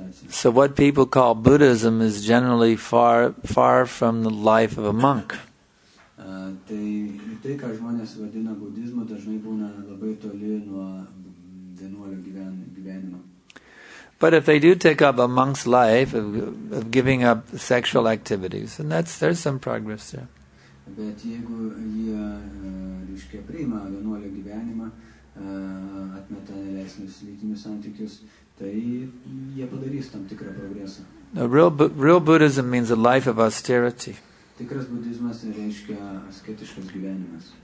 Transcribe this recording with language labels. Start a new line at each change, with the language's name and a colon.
English: So what people call Buddhism is generally far, far from the life of a monk.
Lithuanian: Tai, ką žmonės vadina budizmu, dažnai būna labai toli nuo vienuolio gyvenimo.
English: But if they do take up a monk's life of giving up sexual activities, then there's some progress there.
Lithuanian: Bet jeigu jie priima vienuolio gyvenimą, atmeta neleisnius lytinius santykius, tai jie padarys tam tikrą progresą.
English: Real Buddhism means a life of austerity.
Lithuanian: Tikras budizmas reiškia asketiškas gyvenimas.